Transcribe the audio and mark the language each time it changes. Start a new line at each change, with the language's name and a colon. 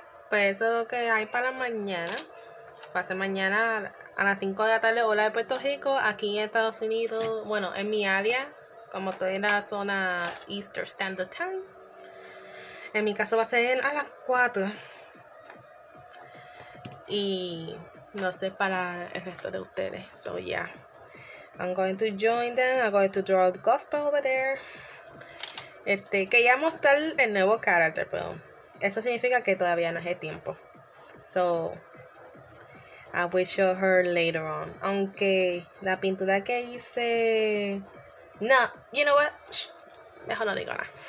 Spanish: Pues eso es lo que hay para mañana. Va a ser mañana a las 5 de la tarde, hora de Puerto Rico, aquí en Estados Unidos, bueno, en mi área, como estoy en la zona Eastern Standard Time. En mi caso va a ser a las 4. Y no sé para el resto de ustedes, so yeah.
English: I'm going to join them, I'm going to draw the gospel over there.
Spanish: Quería mostrar el nuevo character, pero eso significa que todavía no es el tiempo.
English: So... I will show her later on.
Spanish: Aunque la pintura que hice... No,
English: you know what?
Spanish: Shh. Mejor no digo nada.